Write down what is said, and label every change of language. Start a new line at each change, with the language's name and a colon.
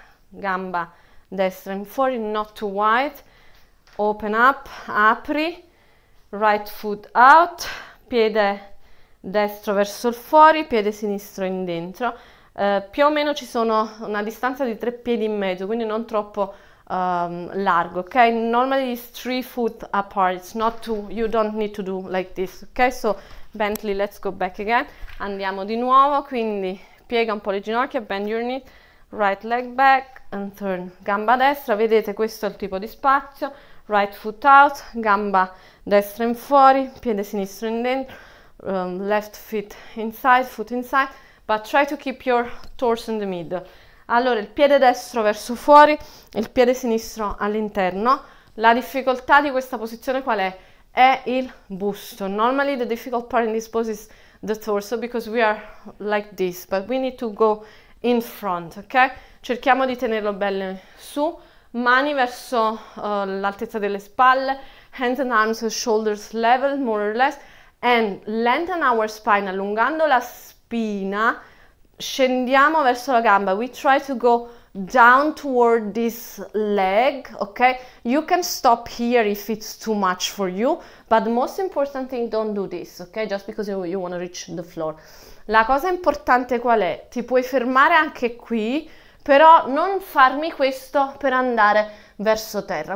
Italian: Gamba destra in fuori.
English: Not too wide. Open up.
Italian: Apri.
English: Right foot out.
Italian: Piede destro verso il fuori, piede sinistro in dentro. Più o meno ci sono una distanza di 3 piedi in mezzo, quindi non troppo largo, ok?
English: Normally it's 3 foot apart, it's not too, you don't need to do like this, ok? So Bentley, let's go back again.
Italian: Andiamo di nuovo, quindi piega un po' le ginocchia,
English: bend your knee, right leg back and turn.
Italian: Gamba destra, vedete, questo è il tipo di spazio.
English: Right foot out,
Italian: gamba destra in fuori, piede sinistro in dentro.
English: Left feet inside, foot inside, but try to keep your torso in the middle.
Italian: Allora, il piede destro verso fuori, il piede sinistro all'interno. La difficoltà di questa posizione qual è? È il busto.
English: Normally the difficult part in this pose is the torso because we are like this, but we need to go in front, ok?
Italian: Cerchiamo di tenerlo bello su, mani verso l'altezza delle spalle,
English: hands and arms, shoulders level, more or less. And lengthen our spine,
Italian: allungando la spina, scendiamo verso la gamba.
English: We try to go down toward this leg, ok? You can stop here if it's too much for you, but the most important thing, don't do this, ok? Just because you want to reach the floor.
Italian: La cosa importante qual è? Ti puoi fermare anche qui, però non farmi questo per andare verso terra.